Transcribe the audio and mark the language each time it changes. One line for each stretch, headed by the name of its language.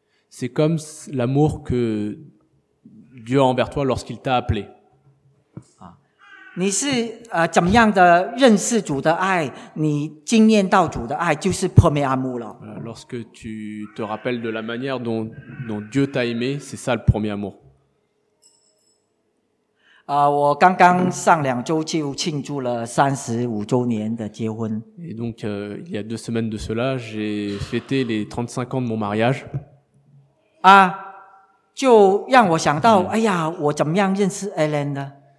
French: C'est comme l'amour que Dieu a envers toi lorsqu'il t'a appelé.
Chinese: 啊，你是怎么样的认识主的爱，你经验到主的爱就是
French: premier amour
Chinese: 了。
French: Lorsque tu te rappelles de la manière dont Dieu t'a aimé, c'est ça le premier amour.
Chinese: 我刚刚上两周就庆祝了35周年的结婚。
French: Et donc, il y a 2 semaines de cela, j'ai fêté les 35 ans de mon mariage.
Chinese: 啊，就让我想到，哎呀，我怎么样认识 Hélène 的？